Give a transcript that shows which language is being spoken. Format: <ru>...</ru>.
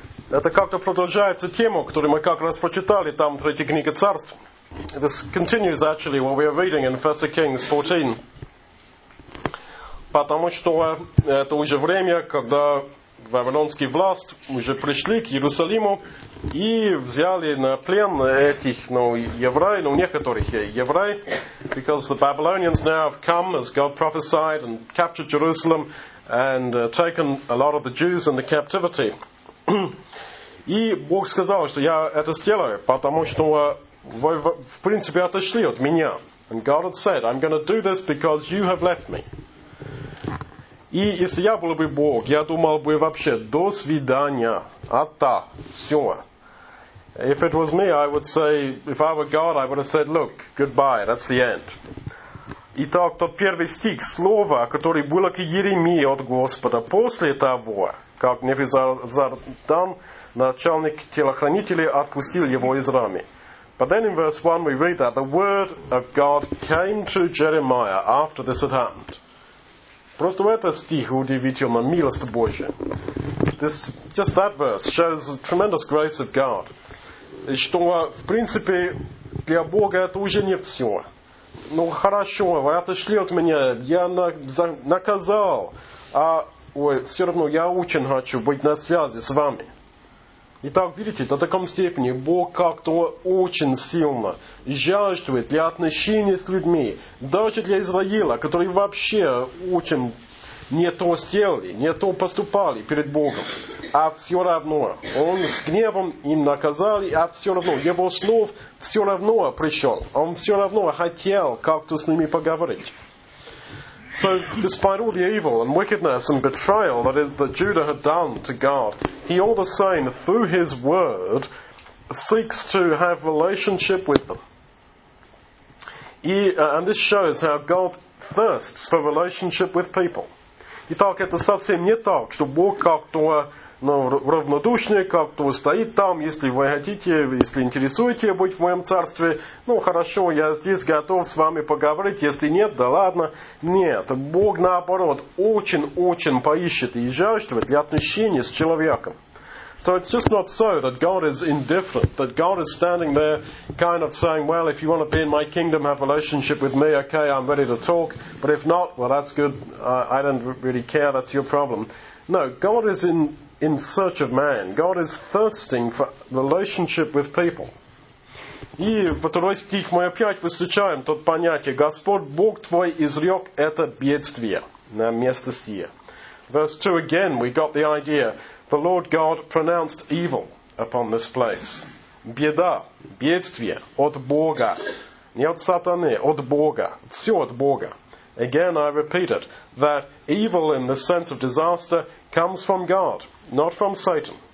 <ru>Это как-то продолжается тему, которую мы как раз прочитали там в Третьей книге Царств.</ru> <en>This continues actually what we are reading in 1 Kings 14.</en> <ru>Потому что это уже время, когда вавилонские власти уже пришли к Иерусалиму и взяли на плен этих, ну, евреев, ну, некоторых евреев,</ru> <en>because the Babylonians now have come, as God prophesied, and captured Jerusalem, and taken a lot of the Jews into captivity.</en> <ru>И Бог сказал, что я это сделаю, потому что вы, в принципе, отошли от меня.</ru> <en>And God had said, I'm going to do this because you have left me.</en> <ru>И если я был бы Бог, я думал бы вообще, до свидания, ата, все.</ru> <en>If it was me, I would say, if I were God, I would have said, look, goodbye, that's the end.</en> <ru>Итак, тот первый стих, слово, которое было к Еремии от Господа, после того, как Невизардан, начальник телохранителей, отпустил его из рамы.</ru> <en>But then in verse 1 we read that the word of God came to Jeremiah after this had happened.</en> <ru>Просто этот стих удивительно, милость Божия.</ru> <en>This, just that verse shows the tremendous grace of God.</en> <ru>И что, в принципе, для Бога это уже не все. Ну, хорошо, вы отошли от меня, я наказал, а ой, все равно я очень хочу быть на связи с вами. Итак, видите, до такой степени Бог как-то очень сильно жаждует для отношений с людьми, даже для Израиля, которые вообще очень не то сделали, не то поступали перед Богом. А все равно, Он с гневом им наказал, а все равно, Его слов все равно пришел. Он все равно хотел как-то с ними поговорить.</ru> <en>So, despite all the evil and wickedness and betrayal that, that Judah had done to God, he all the same, through his word, seeks to have relationship with them. And this shows how God thirsts for relationship with people.</en> <ru>Итак, это совсем не так, что Бог как-то равнодушный, как-то стоит там, если вы хотите, если интересуете быть в моем царстве, ну хорошо, я здесь готов с вами поговорить, если нет, да ладно. Нет, Бог наоборот очень-очень поищет и жаждет для отношений с человеком.</ru> <en>So it's just not so that God is indifferent, that God is standing there kind of saying, well, if you want to be in my kingdom, have a relationship with me, okay, I'm ready to talk, but if not, well, that's good, I don't really care, that's your problem. No, God is in search of man. God is thirsting for relationship with people.</en> <ru>И во второй стих мы опять встречаем тот понятие, Господь Бог твой изрек это бедствие на место сие.</ru> <en>Verse 2 again, we got the idea, the Lord God pronounced evil upon this place.</en> <ru>Беда, бедствие от Бога. Не от сатаны, от Бога. Все от Бога.</ru> <en>Again, I repeat it, that evil in the sense of disaster comes from God, not from Satan.</en>